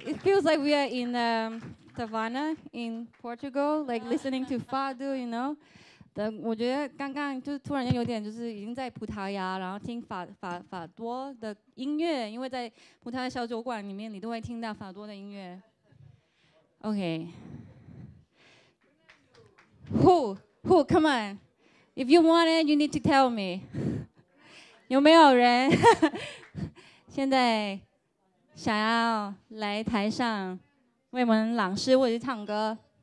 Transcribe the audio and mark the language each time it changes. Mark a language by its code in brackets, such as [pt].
[en] It feels like we are in Tavana in Portugal, like listening to Fado, you know. [zh] 我觉得刚刚就突然间有点就是已经在葡萄牙，然后听法多的音乐，因为在葡萄牙小酒馆里面，你都会听到法多的音乐。Okay. [en] Who? Come on. If you want it, you need to tell me. [zh] 有没有人 现在想要来台上为我们朗诗或者唱歌?